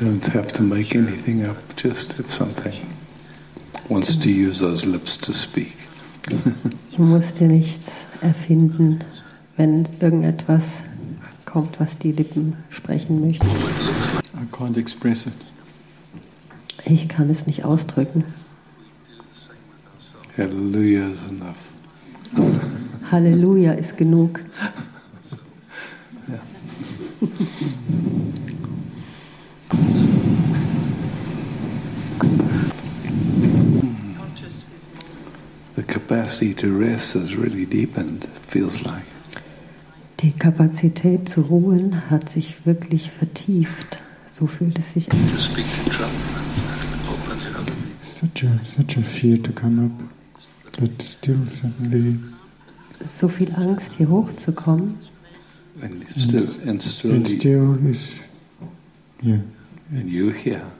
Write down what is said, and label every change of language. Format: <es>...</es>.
<en>Don't have to make anything up, just if something wants to use those lips to speak.</en> <de>Du musst dir nichts erfinden, wenn irgendetwas kommt, was die Lippen sprechen möchten.</de> <en>I can't express it.</en> <de>Ich kann es nicht ausdrücken.</de> <en>Hallelujah is enough.</en> <de>Halleluja ist genug.</de> <en>Capacity to rest has really deepened, feels like.</en> <de>Die Kapazität zu ruhen hat sich wirklich vertieft. So fühlt es sich an.</de> <en>Such a fear to come up, but still suddenly.</en> <de>So viel Angst, hier hochzukommen.</de> <en>And still is. Yeah. And you here.</en>